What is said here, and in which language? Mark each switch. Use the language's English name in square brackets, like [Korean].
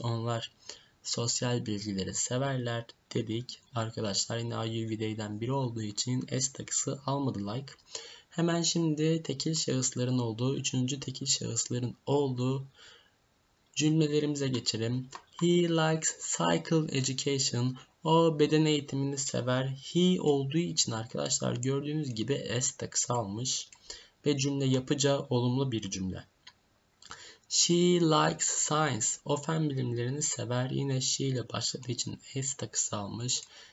[Turkish] Onlar sosyal bilgileri severler dedik. Arkadaşlar yine I, you, we, they'den biri olduğu için s takısı almadı like. Hemen şimdi tekil şahısların olduğu, üçüncü tekil şahısların olduğu cümlelerimize geçelim. [English] He likes cycle education. [Turkish] O beden eğitimini sever. He olduğu için arkadaşlar gördüğünüz gibi s takısı almış. Ve cümle yapıca olumlu bir cümle. [English] She likes science. [Turkish] O fen bilimlerini sever. Yine she ile başladığı için s takısı almış.